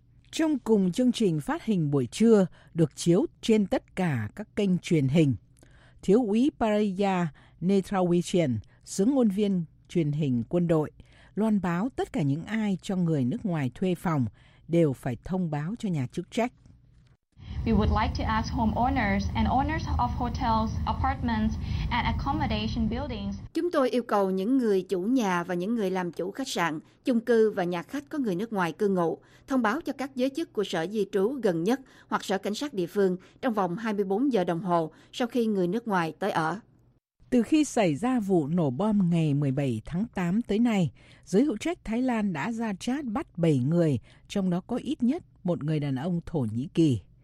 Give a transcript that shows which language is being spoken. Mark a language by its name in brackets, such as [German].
[Vietnamese] Trong cùng chương trình phát hình buổi trưa được chiếu trên tất cả các kênh truyền hình, Thiếu úy Paraya Netrawichen, xướng ngôn viên truyền hình quân đội, loan báo tất cả những ai cho người nước ngoài thuê phòng đều phải thông báo cho nhà chức trách. [English] We would like to ask homeowners and owners of hotels, apartments and accommodation buildings. [Vietnamese] Chúng tôi yêu cầu những người chủ nhà và những người làm chủ khách sạn, chung cư và nhà khách có người nước ngoài cư ngụ thông báo cho các giới chức của sở di trú gần nhất hoặc sở cảnh sát địa phương trong vòng 24 giờ đồng hồ sau khi người nước ngoài tới ở. Từ khi xảy ra vụ nổ bom ngày 17 tháng 8 tới nay, giới hữu trách Thái Lan đã ra trát bắt 7 người, trong đó có ít nhất một người đàn ông Thổ Nhĩ Kỳ.